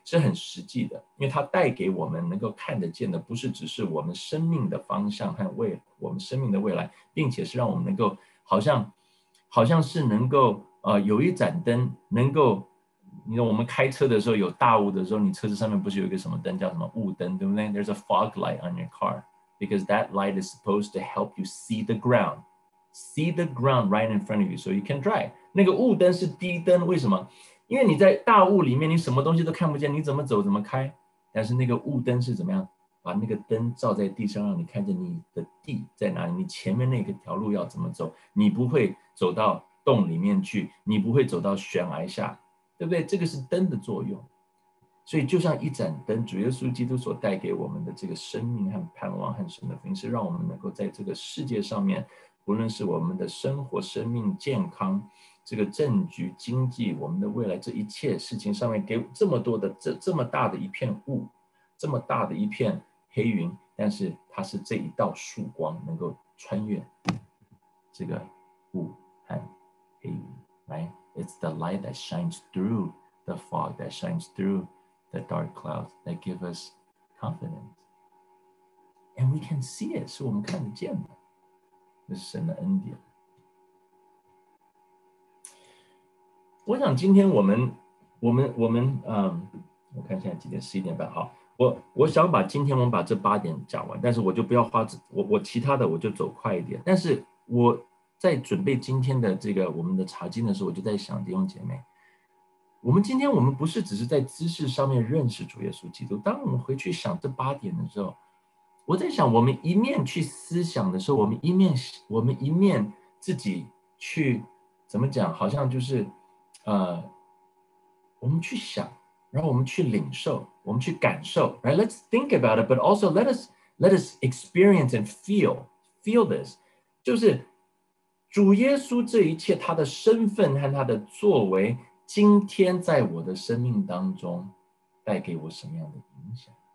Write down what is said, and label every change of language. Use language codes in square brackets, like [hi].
[zh] 是很实际的，因为它带给我们能够看得见的，不是只是我们生命的方向和我们生命的未来，并且是让我们能够好像是能够有一盏灯能够。你知道我们开车的时候有大雾的时候，你车子上面不是有一个什么灯叫什么雾灯，对不对？ [en] There's a fog light on your car because that light is supposed to help you see the ground right in front of you so you can drive. [zh] 那个雾灯是低灯，为什么？因为你在大雾里面，你什么东西都看不见，你怎么走怎么开。但是那个雾灯是怎么样？把那个灯照在地上，让你看见你的地在哪里，你前面那个条路要怎么走，你不会走到洞里面去，你不会走到悬崖下。对不对？这个是灯的作用，所以就像一盏灯，主耶稣基督所带给我们的这个生命和盼望和神的福音，是让我们能够在这个世界上面，无论是我们的生活、生命、健康、这个政局、经济、我们的未来这一切事情上面，给这么多的这么大的一片雾，这么大的一片黑云，但是它是这一道曙光，能够穿越这个雾和黑云来。 [en] It's the light that shines through the fog, that shines through the dark clouds, that give us confidence. And we can see it, [zh] 是我们看得见的。这是神的恩典。我想今天我们我看现在几点？十一点半。好，我想把今天我们把这八点讲完，但是我就不要花我其他的我就走快一点。但是我。在准备今天的这个我们的查经的时候，我就在想弟兄姐妹，我们今天我们不是只是在知识上面认识主耶稣基督，当我们回去想这八点的时候，我在想，我们一面去思想的时候，我们一面自己去怎么讲，好像就是我们去想，然后我们去领受，我们去感受， [en] right? Let's think about it, but also let us experience and feel this. [zh] 就是主耶稣这一切他的身份和他的作为，今天在我的生命当中带给我什么样的影响？